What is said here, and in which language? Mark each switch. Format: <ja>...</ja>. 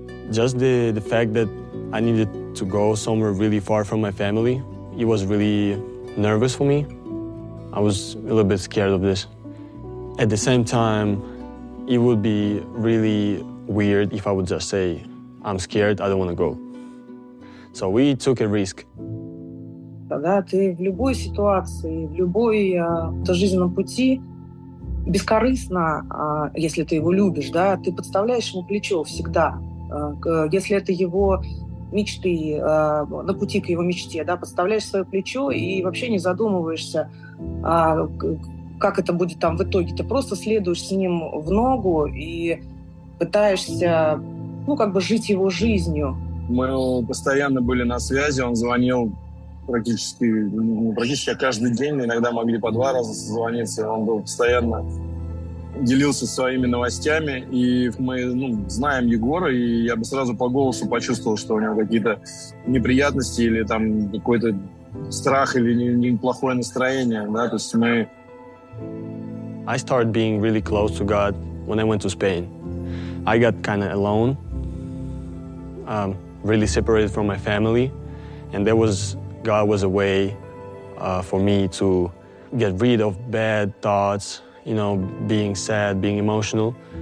<en>Just the fact that I needed to go somewhere really far from my family, it was really nervous for me. I was a little bit scared of this. At the same time, it would be really weird if I would just say, I'm scared, I don't want to go. So we took a risk.</en> <ru>Тогда ты в любой ситуации, в любой жизненном пути бескорыстно, если ты его любишь, да, ты подставляешь ему плечо всегда. Если это его мечты, на пути к его мечте, да, подставляешь свое плечо и вообще не задумываешься, как это будет там в итоге. Ты просто следуешь с ним в ногу и пытаешься, ну, как бы жить его жизнью. Мы постоянно были на связи, он звонил практически каждый день, иногда могли по два раза созвониться, он был постоянно... делился своими новостями, и мы знаем Егора, и я бы сразу по голосу почувствовал, что у него какие-то неприятности или там какой-то страх или неплохое настроение, да, то есть мы...</ru> <en>I started being really close to God when I went to Spain. I got kind of alone, really separated from my family, and there was, God was a way for me to get rid of bad thoughts, you know, being sad, being emotional.</en>